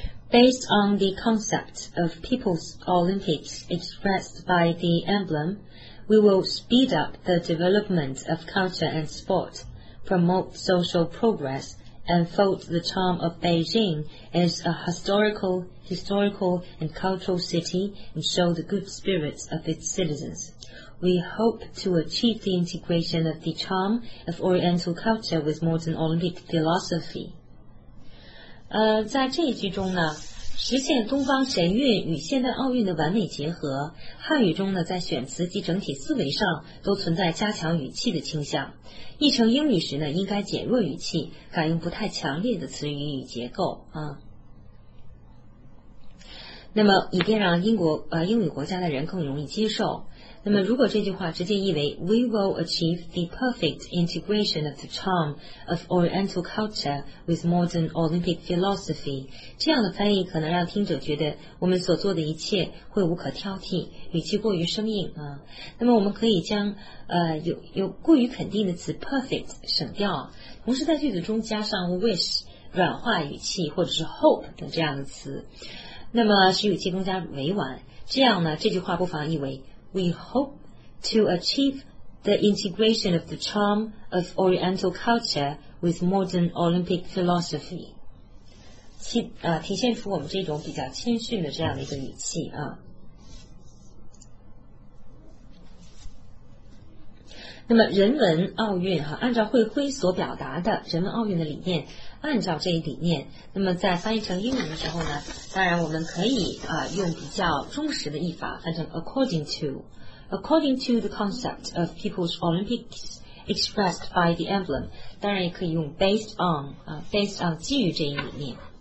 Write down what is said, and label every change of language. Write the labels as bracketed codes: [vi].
[en] Based on the concept of People's Olympics expressed by the emblem, we will speed up the development of culture and sport, promote social progress, and fold the charm of Beijing as a historical and cultural city and show the good spirits of its citizens. We hope to achieve the integration of the charm of Oriental culture with modern Olympic philosophy. [zh] 在这一句中呢，实现东方神韵与现代奥运的完美结合，汉语中呢，在选词及整体思维上都存在加强语气的倾向。译成英语时呢，应该减弱语气，改用不太强烈的词语与结构啊。那么，以便让英语国家的人更容易接受。那么，如果这句话直接译为 [en] "We will achieve the perfect integration of the charm of Oriental culture with modern Olympic philosophy"， [zh] 这样的翻译可能让听者觉得我们所做的一切会无可挑剔，语气过于生硬啊。那么，我们可以将有过于肯定的词 "perfect" 省掉，同时在句子中加上 "wish"， 软化语气，或者是 "hope" 等这样的词，那么使语气更加委婉。这样呢，这句话不妨译为。 [en] We hope to achieve the integration of the charm of Oriental culture with modern Olympic philosophy. [zh] 体现出我们这种比较谦逊的这样的一个语气啊。那么人文奥运哈，按照惠辉所表达的人文奥运的理念，按照这一理念，那么在翻译成英文的时候呢，当然我们可以用比较忠实的译法，翻成 [en] according to the concept of People's Olympics expressed by the emblem， [zh] 当然也可以用 based on 基于这一理念。